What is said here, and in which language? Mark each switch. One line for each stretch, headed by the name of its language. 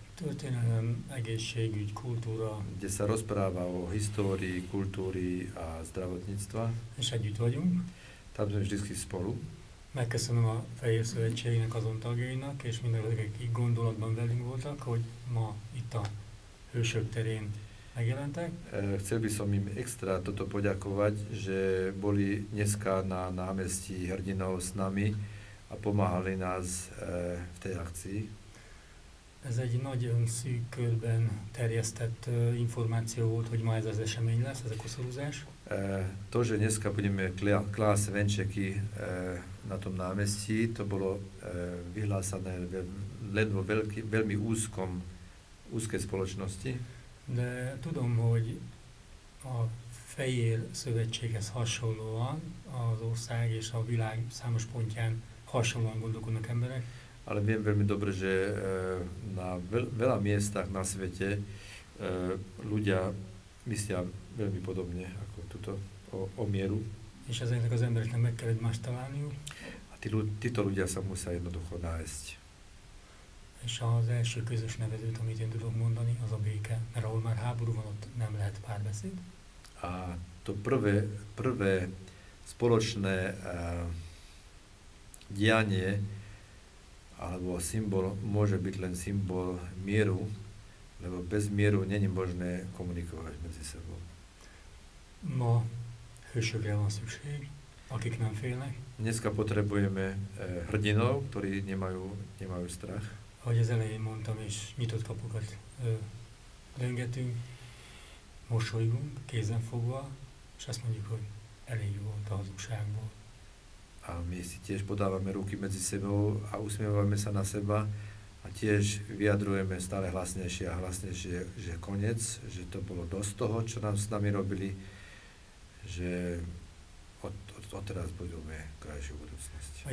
Hungarian: Történelem, egészségügy, kultúra.
Slovak: Kde sa rozpráva o histórii, kultúri a zdravotníctva.
Hungarian: És együtt vagyunk.
Slovak: Tam sme vždycky spolu.
Hungarian: Megköszönöm a Fehér Szövetségének azon tagjainak, és mindenkinek, akik gondolatban velünk voltak, hogy ma itt a Hősök terén megjelentek.
Slovak: Chcel by som im extra toto poďakovať, že boli dneska na námestí hrdinov s nami a pomáhali nás v tej akcii.
Hungarian: Ez egy nagyon szűk körben terjesztett információ volt, hogy ma ez az esemény lesz, ez a koszorúzás.
Slovak: To, že dneska budeme klásť venčeky na tom námestí, to bolo vyhlásané len vo veľmi úzkej spoločnosti.
Hungarian: De tudom, hogy a Fehér Szövetséghez hasonlóan az ország és a világ számos pontján hasonlóan gondolkodnak emberek.
Slovak: Ale viem veľmi dobre, že na veľa miestach na svete ľudia myslia veľmi podobne ako tuto o mieru.
Hungarian: És ezeknek az embereknek meg kell egymást találniuk.
Slovak: A títo ľudia sa musia jednoducho nájsť.
Hungarian: És az első közös nevezőt, amit én tudok mondani, az a béke, mert ahol már háború van, ott nem lehet párbeszéd.
Slovak: A to prvé spoločné dianie alebo symbol môže byť len symbol mieru, lebo bez mieru není možné komunikovať medzi sebou. No, hršokia vám súšiek, akých nám fejlech. Dneska potrebujeme hrdinov, ktorí nemajú strach.
Hungarian: Ahogy az elején mondtam, és nyitott kapukat döngetünk, mosolygunk, kézen fogva, és azt mondjuk, hogy elég jó volt a hazugságból.
Slovak: A my si tiež podávame ruky medzi sebou a usmievame sa na seba a tiež vyjadrujeme stále hlasnejšie a hlasnejšie, že koniec, že to bolo dosť toho, čo nám s nami robili, že odteraz budeme krajšiu budúcnosť.